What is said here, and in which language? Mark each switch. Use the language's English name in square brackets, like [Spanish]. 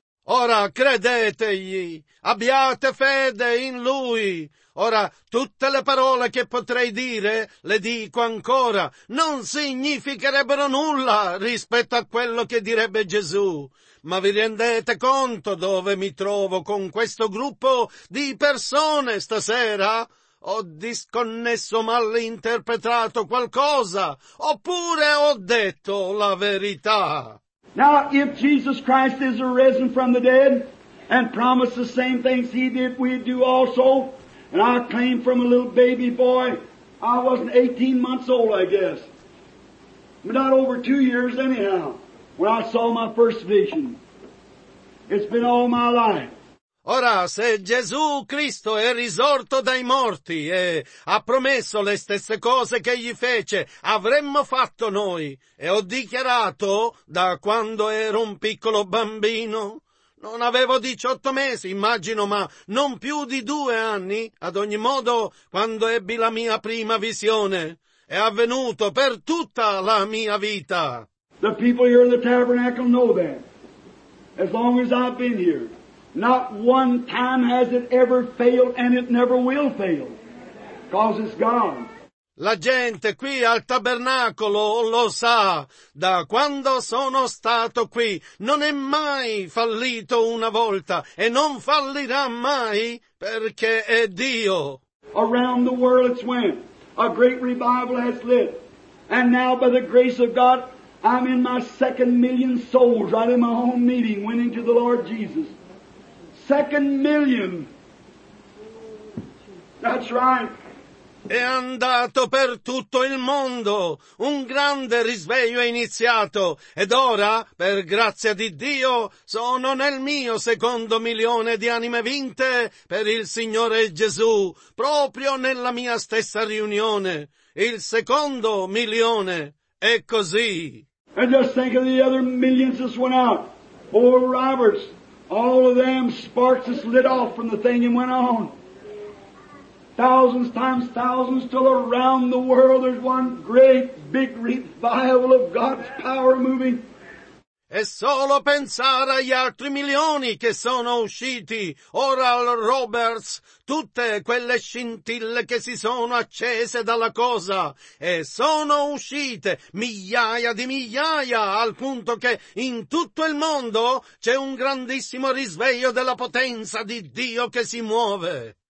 [Italian] Ora credetegli, abbiate fede in Lui. Ora tutte le parole che potrei dire le dico ancora. Non significherebbero nulla rispetto a quello che direbbe Gesù. Ma vi rendete conto dove mi trovo con questo gruppo di persone stasera? Ho disconnesso, malinterpretato qualcosa, oppure ho detto la verità? [English] Now, if Jesus Christ is arisen from the dead and promised the same things He did, we do also. And I claim from a little baby boy, I wasn't 18 months old, I guess. But not over 2 years anyhow. When I saw my first vision, it's been all my life. [Italian] Ora, se Gesù Cristo è risorto dai morti e ha promesso le stesse cose che gli fece, avremmo fatto noi. E ho dichiarato da quando ero un piccolo bambino. Non avevo 18 mesi, immagino, ma non più di 2 anni, ad ogni modo, quando ebbi la mia prima visione. È avvenuto per tutta la mia vita. [English] The people here in the tabernacle know that. as long as I've been here. Not one time has it ever failed, and it never will fail, because it's God. [Italian] La gente qui al tabernacolo lo sa, da quando sono stato qui, non è mai fallito una volta, e non fallirà mai, perché è Dio. [English] Around the world it's went, a great revival has lit, and now by the grace of God, I'm in my second million souls, right in my home meeting, winning to the Lord Jesus. Second million. That's right. [Italian] È andato per tutto il mondo. Un grande risveglio è iniziato. Ed ora, per grazia di Dio, sono nel mio secondo milione di anime vinte per il Signore Gesù, proprio nella mia stessa riunione. Il secondo milione. È così. [English] And just think of the other millions that went out. Or Roberts. All of them sparks just lit off from the thing and went on. Thousands times thousands till around the world there's one great big revival of God's power moving. [Italian] E solo pensare agli altri milioni che sono usciti, Oral Roberts, tutte quelle scintille che si sono accese dalla cosa, e sono uscite migliaia di migliaia, al punto che in tutto il mondo c'è un grandissimo risveglio della potenza di Dio che si muove.